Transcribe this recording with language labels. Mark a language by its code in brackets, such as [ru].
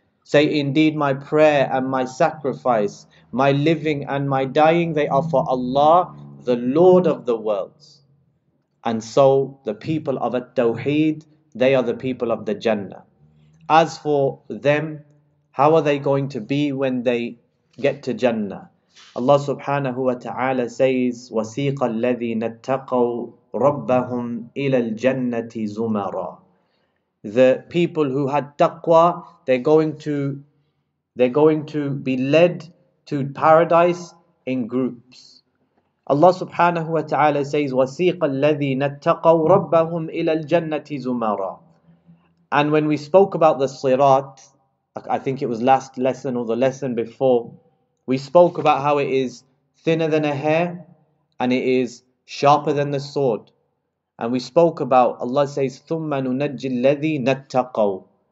[en] Say, indeed my prayer and my sacrifice, my living and my dying, they are for Allah, the Lord of the worlds. And so the people of At-Tawheed, they are the people of the Jannah. As for them, how are they going to be when they get to Jannah? Allah subhanahu wa ta'ala says, [ar] وَسِيقَ الَّذِينَ اتَّقَوْا رَبَّهُمْ إِلَى الْجَنَّةِ زُمَرًا. [en] The people who had taqwa, they're going to be led to paradise in groups. Allah subhanahu wa ta'ala says, [ar] وَسِيقَ الَّذِينَ اتَّقَوْا رَبَّهُمْ إِلَى الْجَنَّةِ زُمَرًا. [en] And when we spoke about the sirat, I think it was last lesson or the lesson before, we spoke about how it is thinner than a hair and it is sharper than the sword. And we spoke about, Allah says, [ar] ثُمَّ نُنَجِّ الَّذِي نَتَّقَوْا.